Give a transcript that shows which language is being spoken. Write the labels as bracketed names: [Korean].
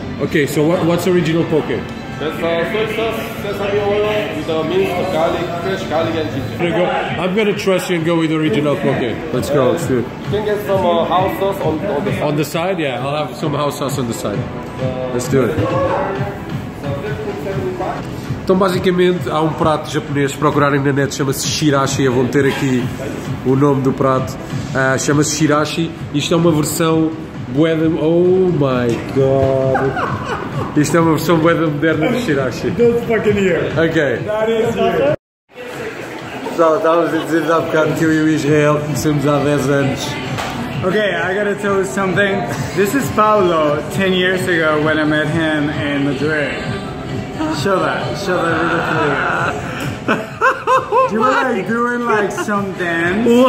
[English] Okay, so what's original poke? That's soy sauce, sesame oil, with the mint, the garlic, fresh garlic and ginger. I'm gonna trust you and go with the original poke. Let's go, let's do it. You can get some house sauce on the side. On the side, yeah, I'll have some house sauce on the side. Let's do it. [Portuguese] Então, basicamente, há um prato japonês, procurarem na net, chama-se Shirashi, eu vou meter aqui o nome do prato. Chama-se Shirashi, isto é uma versão bué de... [English] Oh my God! [Portuguese] Isto é uma versão bué de moderna do Shirashi. [English] Don't fucking hear! Ok. That is here! [Portuguese] Pessoal, estávamos a dizer há bocado que eu e o Israel conhecemos há 10 anos. [English] Ok, I gotta tell you something. This is Paulo, 10 years ago, when I met him in Madrid. Show that. Show that. You were like doing like some dance.